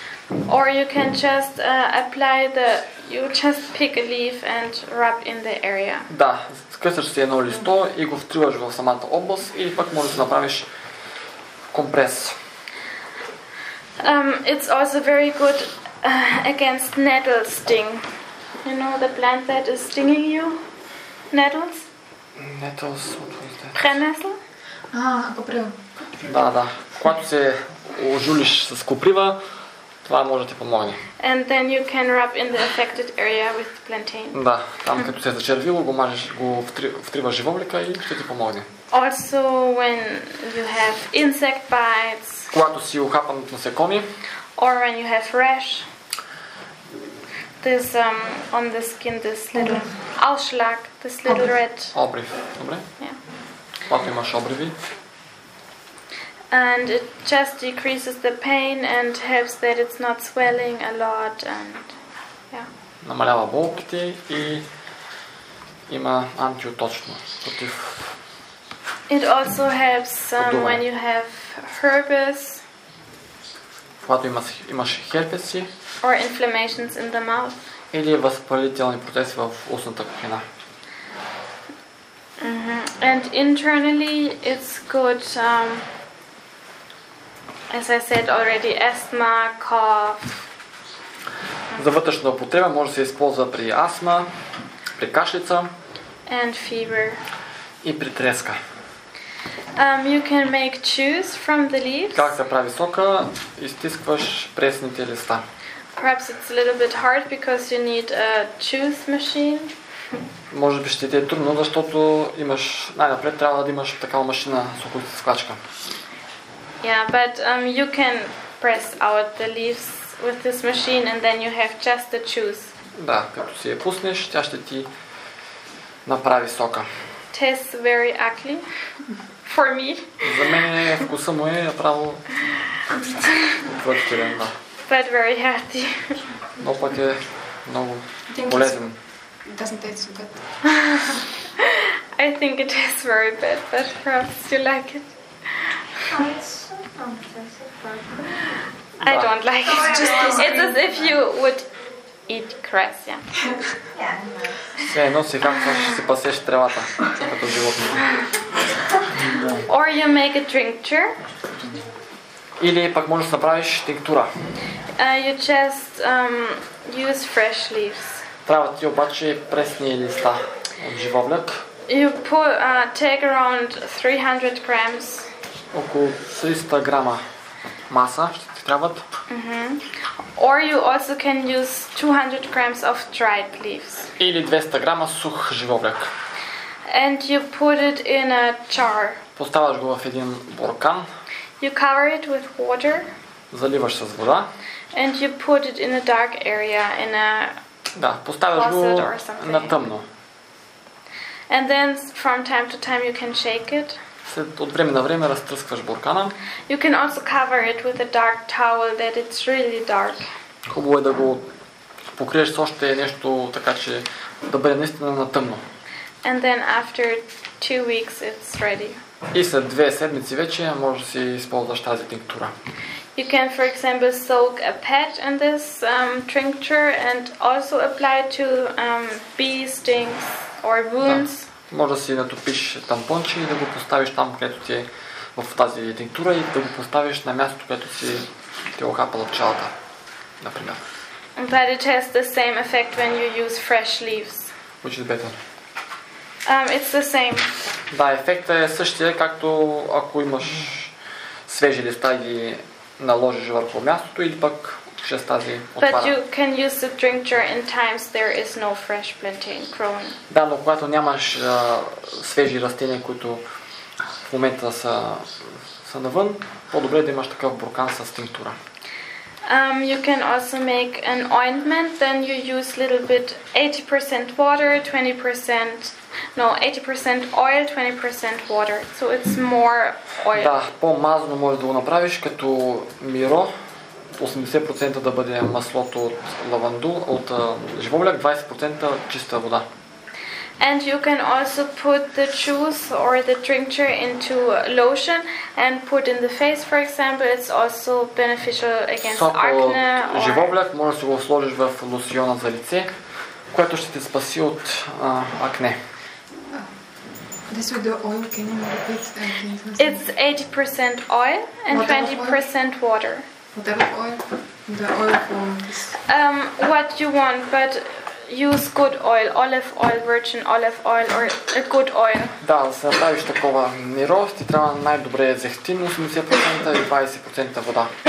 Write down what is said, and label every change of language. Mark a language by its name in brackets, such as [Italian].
[English] Or you can just apply the, you just pick a leaf and rub in the area. [Bulgarian] Да, скъсаш си едно листо и го втриваш в самата област или пък може да направиш компрес. [English] It's also very good against nettle sting. You know the plant that is stinging you? Nettles? Nettles, [Bulgarian] Пренесла? Да, да. Когато се ожулиш с коприва, това може да ти помогне. [English] And then you can rub in the affected area with plantain. [Bulgarian] Да, там като се зачервило, го мажеш, го втриваш живоблика и ще ти помогне. [English] Also when you have insect bites. [Bulgarian] Когато си ухапан от насекоми. [English] Or when you have rash. This on the skin, this little Ausschlag, this little red. [Bulgarian] Обрив, добре? [English] Yeah. [Bulgarian] Когато имаш обриви. [English] And it just decreases the pain and helps that it's not swelling a lot and yeah. [Bulgarian] Намалява болките и има антиоточно против. [English] It also helps when you have herpes. [Bulgarian] Когато имаш херпеси. [English] Or inflammations in the mouth. [Bulgarian] Или възпалителни процеси в устната кухина. Mm-hmm. [English] And internally it's good as I said already, asthma, cough. [Bulgarian] За вътрешна употреба може да се използва при астма, при кашлица. [English] And fever. [Bulgarian] И при треска. [English] You can make juice from the leaves. [Bulgarian] Как се прави сока? Изтискваш пресните листа. [English] Perhaps it's a little bit hard because you need a juice machine. [Bulgarian] Може би ще ти е трудно, защото имаш най-напред трябва да имаш такава машина сокоизтискачка. [English] Yeah, but you can press out the leaves with this machine and then you have just the juice. [Bulgarian] Да, като си я пуснеш, тя ще ти направи сока. [English] Tastes very ugly for me. [Bulgarian] За мен е вкуса му е направо отвратителен, да. [English] But very healthy. [Bulgarian] Но пък е много полезен. [English] Doesn't taste so good. I think it tastes very bad, but perhaps you like it. I don't like it. It's as if you would eat grass, yeah. [Bulgarian] Все едно си както си пасеш тревата, като животно. [English] Or you make a tincture. [Bulgarian] Или пък можеш да направиш тинктура. [English] You just use fresh leaves. [Bulgarian] Трябва ти обаче пресни листа от живоблек. [English] You put, take around 300 grams. [Bulgarian] Около 300 грама маса ще ти трябват. Mm-hmm. [English] Or you also can use 200 grams of dried leaves. [Bulgarian] Или 200 грама сух живоблек. [English] And you put it in a jar. [Bulgarian] Поставаш го в един буркан. [English] You cover it with water. [Bulgarian] Заливаш с вода. [English] And you put it in a dark area, in a [Bulgarian] да, поставяш го на тъмно. [English] And then from time to time you can shake it. [Bulgarian] От време на време разтръскваш буркана. [English] You can also cover it with a dark towel that it's really dark. [Bulgarian] Хубаво е да го покриеш с още нещо, така че да бъде наистина на тъмно. [English] And then after 2 weeks it's ready. [Bulgarian] И след 2 седмици вече можеш да си използваш тази тинктура. [English] You can for example soak a patch in this tincture and also apply it to bee stings or wounds. [Bulgarian] Да. Може да си натопиш тампонче и да го поставиш там, където ти е в тази тинктура и да го поставиш на мястото, където си те охапала пчелата, например. [English] But it has the same effect when you use fresh leaves. Which is better? It's the same. [Bulgarian] Да, ефектът е същия, както ако имаш свежи листа и ги наложиш върху мястото или пък ще тази отвара. [English] But you can use the tincture in times there is no fresh plantain growing. [Bulgarian] Да, но когато нямаш свежи растения, които в момента са навън, по-добре да имаш такъв буркан с тинктура. [English] You can also make an ointment, then you use little bit 80% water, 20% no, 80% oil, 20% water. So it's more oil. [Bulgarian] Да, по-мазно можеш да го направиш като миро. 80% да бъде маслото от лавандул, от живоблек, 20% чиста вода. [English] And you can also put the juice or the tincture into lotion and put in the face, for example. It's also beneficial against [Bulgarian] сок [English] acne. [Bulgarian] Живоблек можеш да го сложиш в лосиона за лице, което ще те спаси от акне. [English] This with the oil, can you repeat that? It's 80% oil and 20% water. Whatever oil? The oil from this. What you want, but use good oil, olive oil, virgin olive oil, or a good oil. [Bulgarian] Да, да се направиш такова мирос, ти трябва най-добре зехтин, 80% и 20% вода.